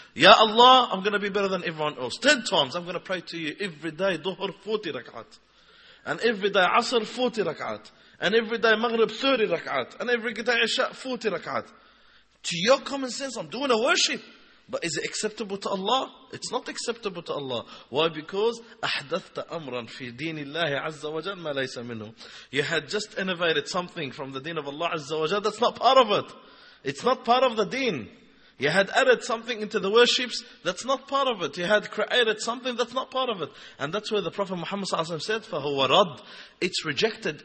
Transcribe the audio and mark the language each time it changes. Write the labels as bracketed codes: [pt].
[en] Ya Allah, I'm going to be better than everyone else. 10 times I'm going to pray to you every day, duhur 40 rak'at. And every day, asr 40 rak'at. And every day, maghrib 30 rak'at. And every day, isha 40 rak'at. To your common sense, I'm doing a worship. But is it acceptable to Allah? It's not acceptable to Allah. Why? Because [ar] أَحْدَثْتَ أَمْرًا فِي دِينِ اللَّهِ عَزَّ وَجَلْ مَا لَيْسَ مِنْهُ. [en] You had just innovated something from the deen of Allah Azza wa Jal. That's not part of it. It's not part of the deen. You had added something into the worships. That's not part of it. You had created something. That's not part of it. And that's where the Prophet Muhammad said, [ar] فَهُوَ رَدْ. [en] It's rejected.